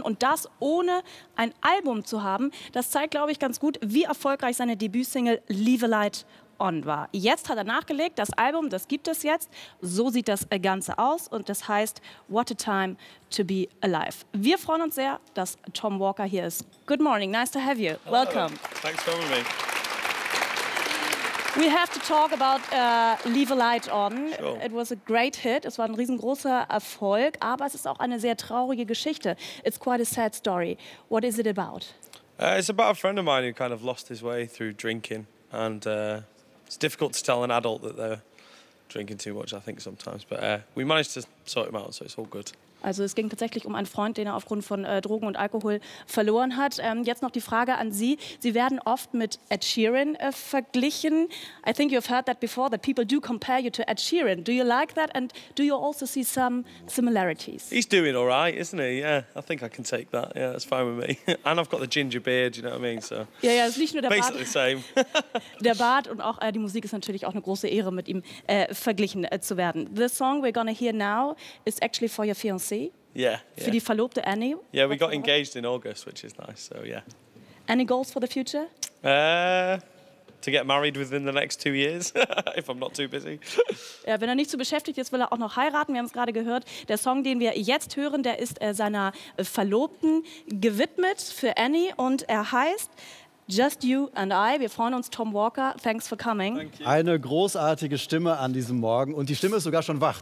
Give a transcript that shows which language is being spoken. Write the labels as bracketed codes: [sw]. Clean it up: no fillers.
[de] Und das ohne ein Album zu haben. Das zeigt, glaube ich, ganz gut, wie erfolgreich seine Debütsingle Leave a Light On war. Jetzt hat er nachgelegt, das Album, das gibt es jetzt. So sieht das Ganze aus. Und das heißt What a Time to be Alive. Wir freuen uns sehr, dass Tom Walker hier ist. [en] Good morning, nice to have you. Hello. Welcome. Thanks for having me. We have to talk about Leave a Light On. Sure. It was a great hit. [de] Es war ein riesengroßer Erfolg, aber es ist auch eine sehr traurige Geschichte. [en] It's quite a sad story. What is it about? It's about a friend of mine who kind of lost his way through drinking. And it's difficult to tell an adult that they're drinking too much, I think, sometimes. But we managed to sort him out, so it's all good. [de] Also es ging tatsächlich um einen Freund, den er aufgrund von Drogen und Alkohol verloren hat. Jetzt noch die Frage an Sie. Sie werden oft mit Ed Sheeran verglichen. [en] I think you've heard that before, that people do compare you to Ed Sheeran. Do you like that and do you also see some similarities? He's doing all right, isn't he? Yeah, I think I can take that. Yeah, that's fine with me. And I've got the ginger beard, you know what I mean? So. [de] Ja, ja, es ist nicht nur der Bart. [en] Basically the same. [de] Der Bart und auch die Musik ist natürlich auch eine große Ehre, mit ihm verglichen zu werden. [en] The song we're gonna hear now is actually for your fiancé. Yeah. [de] Für die Verlobte Annie. [en] Yeah, we got engaged in August, which is nice. So yeah. Any goals for the future? To get married within the next 2 years, if I'm not too busy. [de] Ja, wenn er nicht zu beschäftigt ist, will er auch noch heiraten. Wir haben es gerade gehört. Der Song, den wir jetzt hören, der ist seiner Verlobten gewidmet für Annie und er heißt Just You and I. Wir freuen uns, Tom Walker. [en] Thanks for coming. Thank you. [de] Eine großartige Stimme an diesem Morgen. Und die Stimme ist sogar schon wach.